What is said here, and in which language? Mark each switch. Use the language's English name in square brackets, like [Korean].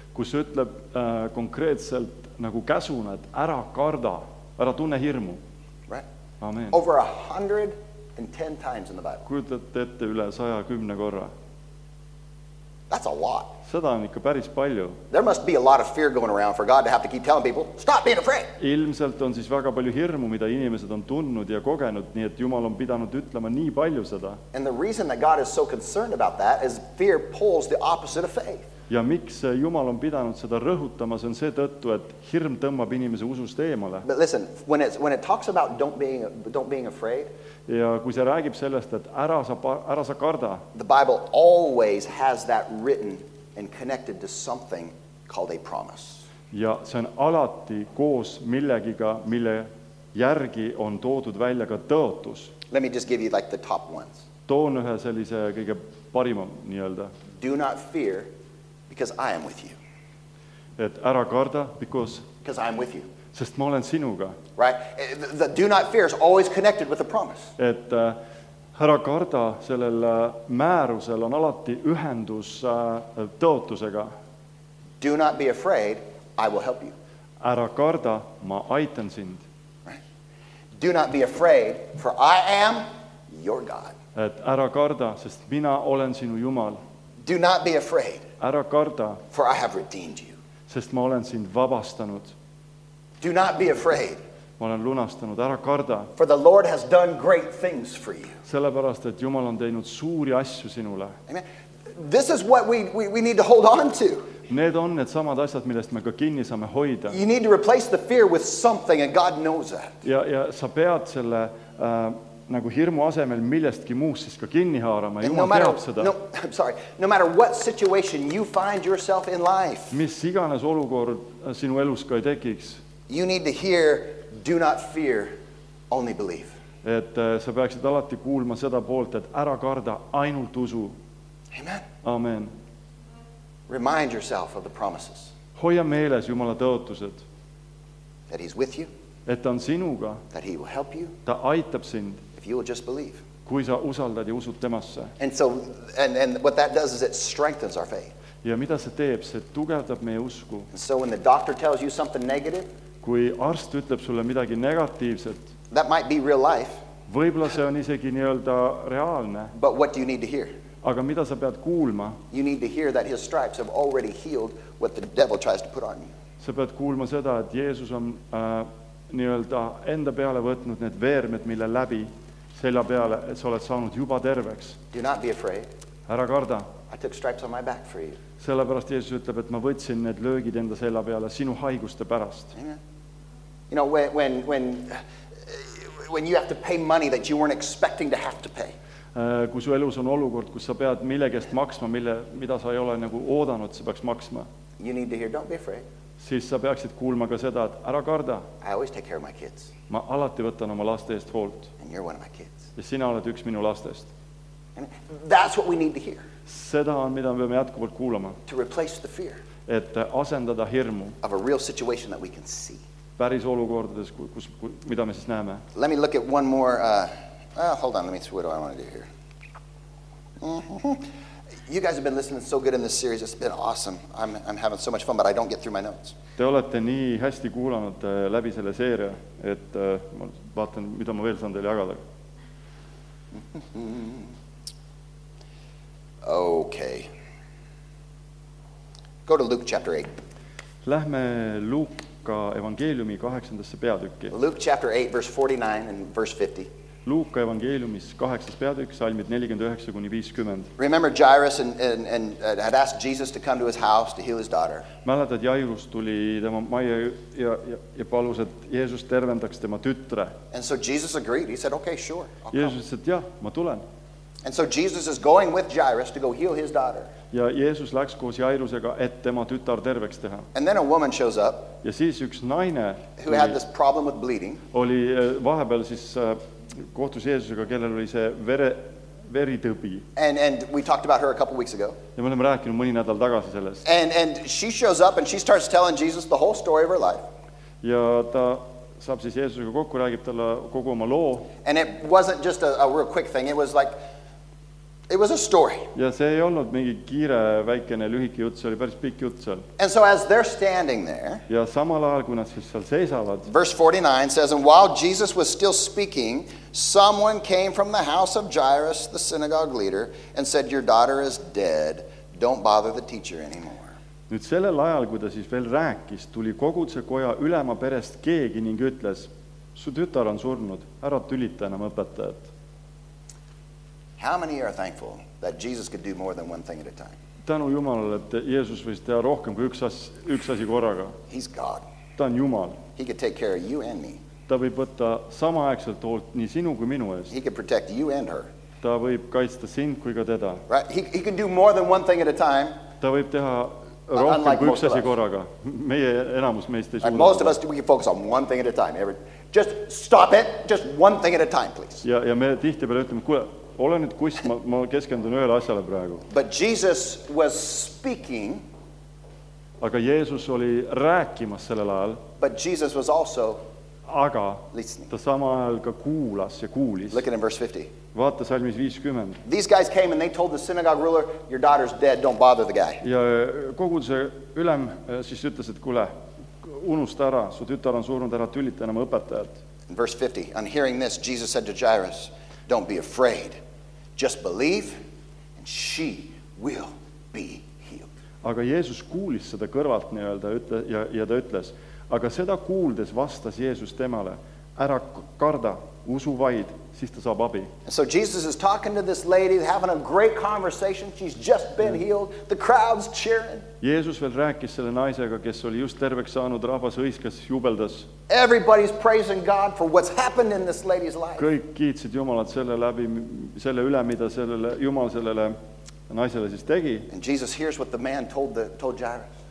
[Estonian] Kus ütleb konkreetselt nagu käsuna, et ära karda, ära tunne hirmu. [English] Right. Amen. Over 110 times in the Bible. [Estonian] Kujutate ette üle 110 korra. [English] That's a lot. [Estonian] Seda on ikka päris palju. [English] There must be a lot of fear going around for God to have to keep telling people, stop being afraid. [Estonian] Ilmselt on siis väga palju hirmu, mida inimesed on tunnud ja kogenud, nii et Jumal on pidanud ütlema nii palju seda. [English] And the reason that God is so concerned about that is fear pulls the opposite of faith. [Estonian] Ja miks Jumal on pidanud seda rõhutama, see on see tõttu, et hirm tõmbab inimese usust eemale. [English] But listen, when it talks about don't being afraid. [Estonian] Ja kui see räägib sellest, et ära sa karda. [English] The Bible always has that written and connected to something called a promise. [Estonian] Ja see on alati koos millegiga, mille järgi on toodud välja ka tõotus. [English] Let me just give you like the top ones. [Estonian] Toon ühe sellise kõige parima nii-öelda. [English] Do not fear, because I am with you. [Estonian] Et ära karda, [English] because I am with you. [Estonian] Sest ma olen sinuga. [English] Right? The do not fear is always connected with the promise. [Estonian] Et ära karda sellel määrusel on alati ühendus tõotusega. [English] Do not be afraid, I will help you. [Estonian] Ära karda, ma aitan sind. [English] Do not be afraid, for I am your God. [Estonian] Et ära karda, sest mina olen sinu Jumal. [English] Do not be afraid. [Estonian] Ära karda, [English] for I have redeemed you. [Estonian] Sest ma olen sind vabastanud. [English] Do not be afraid. [Estonian] Ma olen lunastanud. Ära karda. [English] For the Lord has done great things for you. [Estonian] Sellepärast, et Jumal on teinud suuri asju sinule. [English] Amen. This is what we need to hold on to. [Estonian] Need on need samad asjad, millest me ka kinni saame hoida. [English] You need to replace the fear with something, and God knows that. [Estonian] Ja sa pead selle nagu hirmu asemel millestki muust siis ka kinni haarama. Jumal teab seda. [English] No matter what situation you find yourself in life. [Estonian] Mis iganes olukord sinu elus ka ei tekiks. [English] You need to hear, do not fear, only believe. [Estonian] Et sa peaksid alati kuulma seda poolt, et ära karda, ainult usu. [English] Amen. Amen. Remind yourself of the promises. [Estonian] Hoia meeles Jumala tõotused. [English] That he's with you. [Estonian] Et on sinuga. [English] That he will help you. [Estonian] Ta aitab sind. [English] If you will just believe. [Estonian] Kui sa usaldad ja usud temasse. [English] And so, and what that does is it strengthens our faith. [Estonian] Ja mida see teeb? See tugevdab meie usku. [English] And so when the doctor tells you something negative, [Estonian] kui arst ütleb sulle midagi negatiivset, [English] that might be real life. [Estonian] Võibolla see on isegi nii-öelda reaalne. [English] But what do you need to hear? [Estonian] Aga mida sa pead kuulma? [English] You need to hear that his stripes have already healed what the devil tries to put on you. [Estonian] Sa pead kuulma seda, et Jeesus on nii-öelda enda peale võtnud need veermed, mille läbi selja peale, et sa oled saanud juba terveks. [English] Do not be afraid. [Estonian] Ära karda. [English] I took stripes on my back for you. [Estonian] Sellepärast Jeesus ütleb, et ma võtsin need löögid enda selja peale sinu haiguste pärast. [English] Amen. You know, when you have to pay money that you weren't expecting to have to pay. [Estonian] Kui su elus on olukord, kus sa pead millegest maksma, mida sa ei ole nagu oodanud, sa peaks maksma. [English] You need to hear, don't be afraid. [Estonian] Siis sa peaksid kuulma ka seda, et ära karda. [English] I always take care of my kids. [Estonian] Ma alati võtan oma laste eest hoolt. [English] And you're one of my kids. [Estonian] Ja sina oled üks minu lastest. [English] And that's what we need to hear. [Estonian] Seda on, mida me peame jätkuvalt kuulama. [English] To replace the fear. [Estonian] Et asendada hirmu. [English] Of a real situation that we can see. [Estonian] Päris olukordades, mida me siis näeme. [English] Let me look at one more... hold on, let me see what do I want to do here. You guys have been listening so good in this series. It's been awesome. I'm having so much fun, but I don't get through my notes. [Estonian] Te olete nii hästi kuulanud läbi selle seeria, et ma vaatan, mida ma veel saan teile jagada. [English] Okay. Go to Luke chapter 8. [Estonian] Lähme Luuka evangeeliumi 8. peatükki. [English] Luke chapter 8, verse 49 and verse 50. [Estonian] Luuka evangeeliumis 8. peatükk, salmid 49-50. [English] Remember Jairus and had asked Jesus to come to his house to heal his daughter. [Estonian] Mäletad, Jairus tuli tema majja ja palus, et Jeesus tervendaks tema tütre. [English] And so Jesus agreed. He said, okay, sure. [Estonian] Jeesus ütles, et jah, ma tulen. [English] And so Jesus is going with Jairus to go heal his daughter. [Estonian] Ja Jeesus läks koos Jairusega, et tema tütar terveks teha. [English] And then a woman shows up. [Estonian] Ja siis üks naine, [English] who had this problem with bleeding. [Estonian] Oli vahepeal siis... kohtus Jeesusega, kellel oli see veritõbi. [English] And we talked about her a couple weeks ago. [Estonian] Ja me oleme rääkinud mõni nädal tagasi sellest. [English] And she shows up and she starts telling Jesus the whole story of her life. [Estonian] Ja ta saab siis Jeesusega kokku, räägib talle kogu oma loo. [English] And it wasn't just a real quick thing, it was a story. [Estonian] Ja see ei olnud mingi kiire, väikene, lühike jutt, see oli päris pikk jutt seal. [English] And so as they're standing there, [Estonian] ja samal ajal, kui nad siis seal seisavad, [English] verse 49 says, and while Jesus was still speaking, someone came from the house of Jairus, the synagogue leader, and said, your daughter is dead, don't bother the teacher anymore. [Estonian] Nüüd sellel ajal, kui ta siis veel rääkis, tuli koguduse koja ülema perest keegi ning ütles, su tütar on surnud, ära tülita enam õpetajat. [English] How many are thankful that Jesus could do more than one thing at a time? [Estonian] Tänu Jumalale, et Jeesus võis teha rohkem kui üks asi korraga. [English] He's God. [Estonian] Ta on Jumal. [English] He could take care of you and me. [Estonian] Ta võib võtta samaaegselt hoolt nii sinu kui minu eest. [English] He could protect you and her. [Estonian] Ta võib kaitsta sind kui ka teda. [English] Right? He can do more than one thing at a time. [Estonian] Ta võib teha rohkem kui üks asi korraga. Meie enamus meist ei suuda. [English] Most of us, we can focus on one thing at a time. Just stop it, just one thing at a time, please. [Estonian] Ja me tihti peale ütleme, kuule, ole nüüd kus, ma keskendun ühele asjale praegu. [English] But Jesus was speaking. [Estonian] Aga Jeesus oli rääkimas sellel ajal. [English] But Jesus was also [Estonian] aga [English] listening. [Estonian] Ta sama ajal ka kuulas ja kuulis. [English] Look at in verse 50. [Estonian] Vaata salmis 50. [English] These guys came and they told the synagogue ruler, your daughter's dead, don't bother the guy. [Estonian] Ja koguduse ülem siis ütles, et kuule, unusta ära, su tütar on surnud, ära tülita enam õpetajat. [English] In verse 50, on hearing this, Jesus said to Jairus, don't be afraid, just believe, and she will be healed. [Estonian] Aga Jeesus kuulis seda kõrvalt nii-öelda ja ta ütles, aga seda kuuldes vastas Jeesus temale, ära karda, usu vaid, siis ta saab abi. [English] And so Jesus is talking to this lady, having a great conversation, she's just been healed, the crowd's cheering. [Estonian] Jeesus veel rääkis selle naisega, kes oli just terveks saanud, rahvas hõiskas, jubeldas. [English] Everybody's praising God for what's happened in this lady's life. [Estonian] Kõik kiitsid Jumalat selle läbi, selle üle, mida sellele, Jumal sellele naisele siis tegi. [English] And Jesus hears what the man told Jairus.